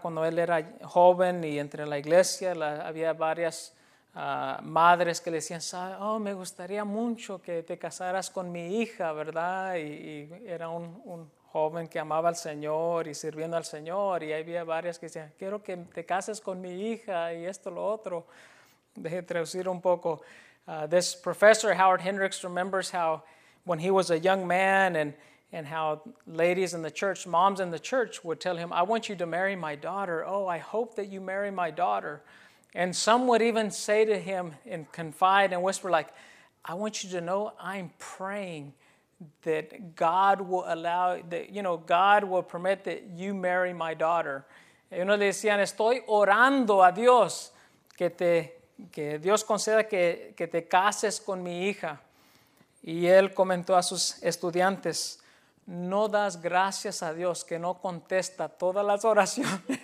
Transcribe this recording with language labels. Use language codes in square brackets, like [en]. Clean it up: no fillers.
[es] Cuando él era joven y entre la iglesia, había varias madres que le decían, oh, me gustaría mucho que te casaras con mi hija, ¿verdad? Y era un joven que amaba al Señor y sirviendo al Señor. Y había varias que decían, quiero que te cases con mi hija y esto, lo otro. Deje traducir un poco. [en] This professor, Howard Hendricks, remembers how when he was a young man and how ladies in the church, moms in the church would tell him, I want you to marry my daughter. Oh, I hope that you marry my daughter. And some would even say to him and confide and whisper like, I want you to know I'm praying that God will allow, that, you know, God will permit that you marry my daughter. [es] Y uno le decían, estoy orando a Dios que Dios conceda que te cases con mi hija. Y él comentó a sus estudiantes, no das gracias a Dios que no contesta todas las oraciones.